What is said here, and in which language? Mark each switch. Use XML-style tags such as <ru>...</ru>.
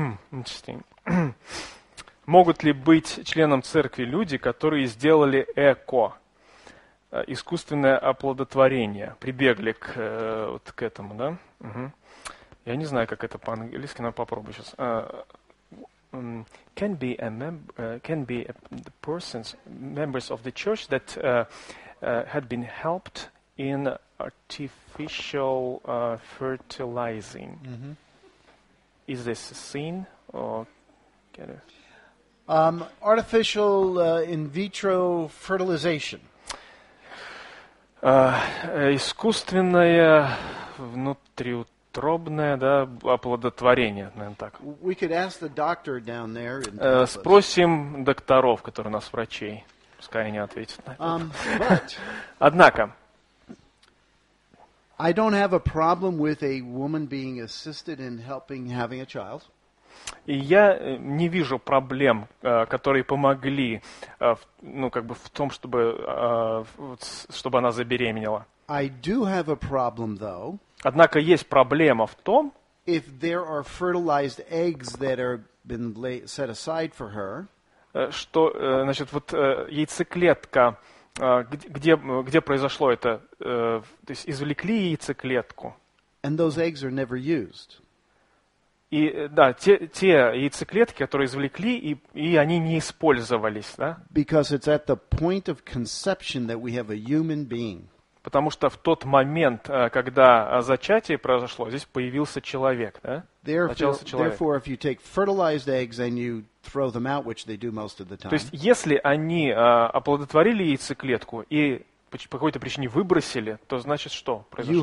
<en>Interesting.</en> <ru>Могут ли быть членом церкви люди, которые сделали ЭКО, искусственное оплодотворение, прибегли к вот к этому, да? Я не знаю, как это по-английски, но попробую сейчас.</ru> <en>Can be a member, can be a, the persons members of the church that had been helped in artificial fertilizing. Mm-hmm. Is this a sin or get it? Artificial in vitro fertilization.</en> <ru>Искусственное внутриутробное, да, оплодотворение, наверное, так.</ru> <en>We could ask the doctor down there.</en> <ru>Спросим докторов, которые у нас врачей. Пускай они ответят на это.</ru> <en>But...</en> <ru>Однако...</ru> <en>I don't have a problem with a woman being assisted in helping having a child.</en> <ru>И я не вижу проблем, которые помогли, ну как бы в том, чтобы, чтобы она забеременела.</ru> <en>I do have a problem, though.</en> <ru>Однако есть проблема в том,</ru> <en>if there are fertilized eggs that have been laid, set aside for her.</en> <ru>Что, значит, вот яйцеклетка. Где произошло это? То есть извлекли яйцеклетку.</ru> <en>And those eggs are never used.</en> <ru>И да, те яйцеклетки, которые извлекли, и они не использовались, да?</ru> <en>Because it's at the point of conception that we have a human being.</en> <ru>Потому что в тот момент, когда зачатие произошло, здесь появился человек, да?</ru> <en>Therefore, if you take fertilized eggs and you throw them out, which they do most of the time.</en> <ru>То есть, если они оплодотворили яйцеклетку и по какой-то причине выбросили, то значит, что произошло?</ru>